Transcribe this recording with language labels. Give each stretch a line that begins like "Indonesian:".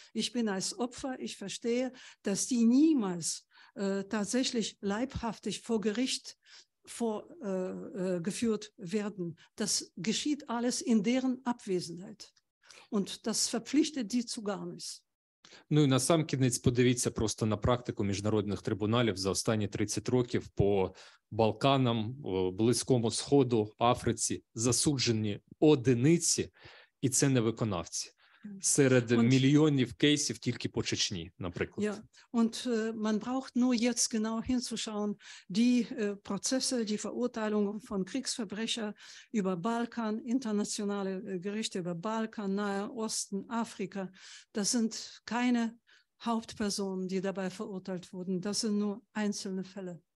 German: Ich bin als Opfer, ich verstehe, dass die niemals tatsächlich leibhaftig vor Gericht vorgeführt werden. Das geschieht alles in deren Abwesenheit. Und das verpflichtet die zu gar nichts.
Ukrainian: Ну і на сам кінець подивіться просто на практику міжнародних трибуналів за останні 30 років по Балканам, Близькому Сходу, Африці. Засуджені одиниці, і це не виконавці. Серед мільйонів кейсів тільки по Чечні, наприклад.
German: Ja, und man braucht nur jetzt genau hinzuschauen, die Prozesse, die Verurteilungen von Kriegsverbrecher über Balkan, internationale Gerichte über Balkan, Nahe Osten, Afrika, das sind keine Hauptpersonen, die dabei verurteilt wurden, das sind nur einzelne Fälle.